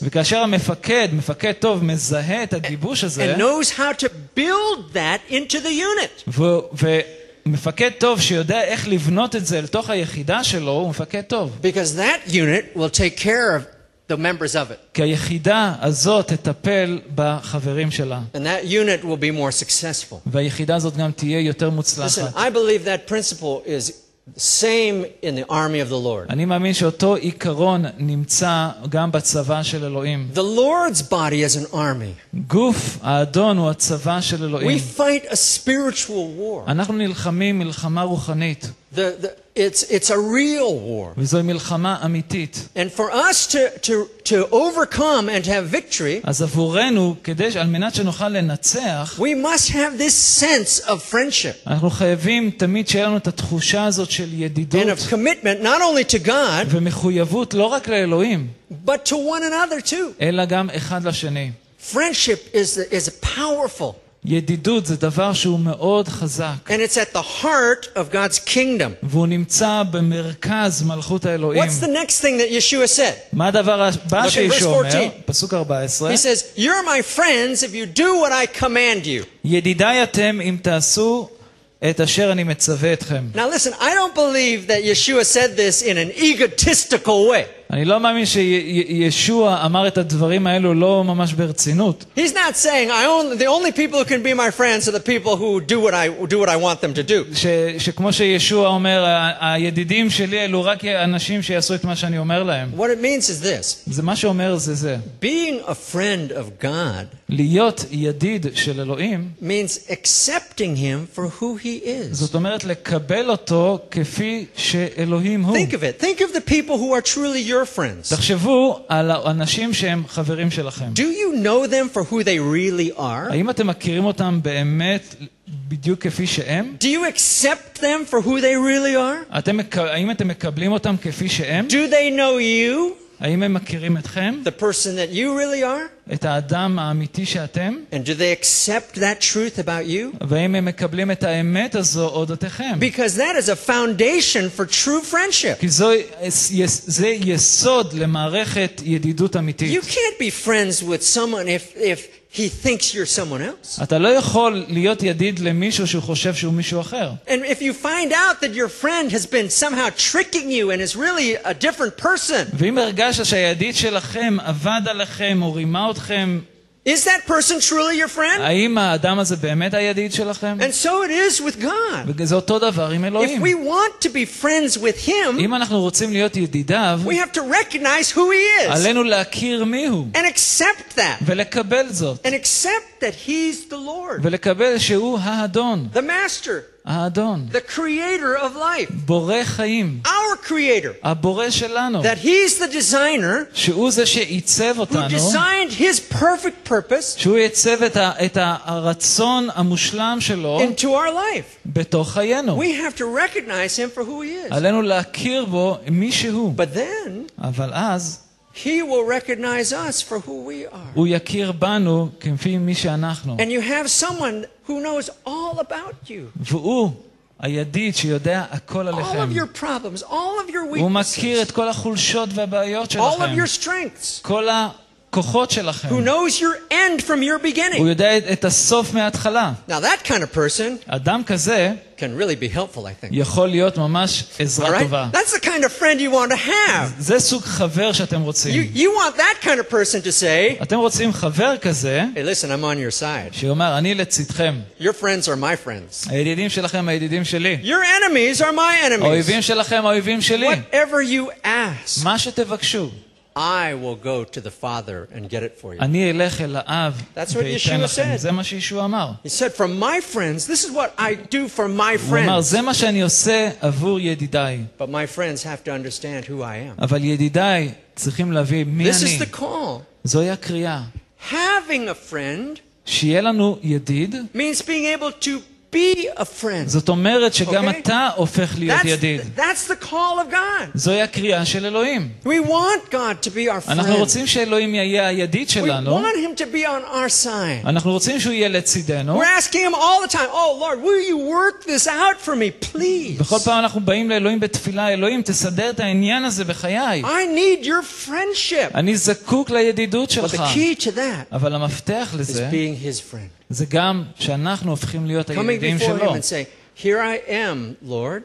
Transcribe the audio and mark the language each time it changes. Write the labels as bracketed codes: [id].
[he] וכאשר המפקד, מפקד טוב, מזהה את הגיבוש הזה. [en] And knows how to build that into the unit. [he] מפקד טוב שיודע איך לבנות את זה לתוך היחידה שלו, הוא מפקד טוב. [en] Because that unit will take care of the members of it. [he] כי היחידה הזאת תטפל בחברים שלה. [en] And that unit will be more successful. [he] והיחידה הזאת גם תהיה יותר מוצלחת. [en] Listen, I believe that principle is same in the army of the Lord. [he] אני מאמין שאותו עיקרון נמצא גם בצבא של אלוהים. [en] The Lord's body is an army. [he] גוף האדון הוא הצבא של אלוהים. [en] We fight a spiritual war. [he] אנחנו נלחמים מלחמה רוחנית. [en] It's a real war. [he] וזו מלחמה אמיתית. [en] And for us to overcome and to have victory, [he] אז עבורנו, כדי על מנת שנוכל לנצח, [en] we must have this sense of friendship. [he] אנחנו חייבים תמיד שיהיה לנו את התחושה הזאת של ידידות. [en] And of commitment not only to God, [he] ומחויבות לא רק לאלוהים, [en] but to one another too. [he] אלא גם אחד לשני. [en] Friendship is powerful. [he] ידידות זה דבר שהוא מאוד חזק. [en] And it's at the heart of God's kingdom. [he] והוא נמצא במרכז מלכות האלוהים. [en] What's the next thing that Yeshua said? [he] מה הדבר הבא שישוע אומר? פסוק 14. [en] He says, "You're my friends if you do what I command you." [he] ידידיי אתם אם תעשו את אשר אני מצווה אתכם. [en] Now listen, I don't believe that Yeshua said this in an egotistical way. [he] אני לא מאמין שישוע אמר את הדברים האלו לא ממש ברצינות. [en] He's not saying the only people who can be my friends are the people who do what I want them to do. [he] שכמו שישוע אומר, הידידים שלי אלו רק אנשים שיעשו את מה שאני אומר להם. [en] What it means is this. [he] זה מה שאומר זה זה. [en] Being a friend of God. [he] להיות ידיד של אלוהים. [en] Means accepting him for who he is. [he] זאת אומרת לקבל אותו כפי שאלוהים הוא. [en] Think of it. Think of the people who are truly your friends. [he] תחשבו על אנשים שהם חברים שלכם. [en] Do you know them for who they really are? [he] האם אתם מכירים אותם באמת בדיוק כפי שהם? [en] Do you accept them for who they really are? [he] האם אתם מקבלים אותם כפי שהם? [en] Do they know you? [he] האם הם מכירים אתכם? [en] The person that you really are? [he] את האדם האמיתי שאתם? [en] And do they accept that truth about you? [he] והאם הם מקבלים את האמת הזו אודותיכם? [en] Because that is a foundation for true friendship. [he] כי זה יסוד למערכת ידידות אמיתית. [en] You can't be friends with someone if he thinks you're someone else. [he] אתה לא יכול להיות ידיד למישהו שהוא חושב שהוא מישהו אחר. [en] And if you find out that your friend has been somehow tricking you and is really a different person. [he] ואם הרגש שהידיד שלכם עבד עליכם או רימה אתכם, [en] is that person truly your friend? [he] האם האדם הזה באמת הידיד שלכם? [en] And so it is with God. [he] וזה אותו דבר עם אלוהים. [en] If we want to be friends with him, [he] אם אנחנו רוצים להיות ידידיו, [en] we have to recognize who he is. [he] עלינו להכיר מי הוא. [en] And accept that. [he] ולקבל זאת. [en] And accept that he's the Lord. [he] ולקבל שהוא האדון. [en] The master. [he] האדון. [en] The creator of life. [he] בורא חיים. [en] Our creator. [he] הבורא שלנו. [en] That he's the designer. [he] שהוא זה שעיצב אותנו. [en] Who designed his perfect purpose. [he] שהוא עיצב את הרצון המושלם שלו. [en] Into our life. [he] בתוך חיינו. [en] We have to recognize him for who he is. [he] עלינו להכיר בו מי שהוא. [en] But then. [he] אבל אז. [en] He will recognize us for who we are. [he] הוא יכיר בנו כפי מי שאנחנו. [en] And you have someone who knows all about you. [he] והוא הידיד שיודע הכל עליכם. [en] All of your problems, all of your weaknesses. [he] הוא מכיר את כל החולשות והבעיות שלכם. [en] All of your strengths. [he] כל הכוחות שלכם. [en] Who knows your end from your beginning. [he] הוא יודע את הסוף מההתחלה. [en] Now that kind of person, [he] אדם כזה, [en] can really be helpful, I think. [he] יכול להיות ממש עזרה טובה. [en] That's the kind of friend you want to have. [he] זה סוג חבר שאתם רוצים. [en] You want that kind of person to say, [he] אתם רוצים חבר כזה, [en] hey, listen, I'm on your side. [he] שיאמר, אני לצדכם. [en] Your friends are my friends. [he] הידידים שלכם, הידידים שלי. [en] Your enemies are my enemies. [he] האויבים שלכם, האויבים שלי. [en] Whatever you ask. [he] מה שתבקשו. [en] I will go to the Father and get it for you. [he] אני אלך אל האב. [en] That's what Yeshua said. [he] זה מה שישוע אמר. [en] He said, "For my friends, this is what I do for my friends." [he] הוא אמר, זה מה שאני עושה עבור ידידיי. [en] But my friends have to understand who I am. [he] אבל ידידיי צריכים להבין מי אני. [en] This is the call. [he] זוהי הקריאה. [en] Having a friend. [he] שיהיה לנו ידיד. [en] Means being able to be a friend. [he] זאת אומרת שגם אתה הופך להיות ידיד. [en] That's the call of God. [he] זוהי הקריאה של אלוהים. [en] We want God to be our friend. [he] אנחנו רוצים שאלוהים יהיה הידיד שלנו. [en] We want him to be on our side. [he] אנחנו רוצים שהוא יהיה לצידנו. [en] We're asking him all the time, "Oh Lord, will you work this out for me, please?" [he] בכל פעם אנחנו באים לאלוהים בתפילה, "אלוהים, תסדר את העניין הזה בחיי." [en] I need your friendship. [he] אני זקוק לידידות שלך. [en] But the key to that. [he] אבל המפתח לזה [en] is being his friend. [he] זה גם שאנחנו הופכים להיות הידידים שלו. [en] Here I am, Lord.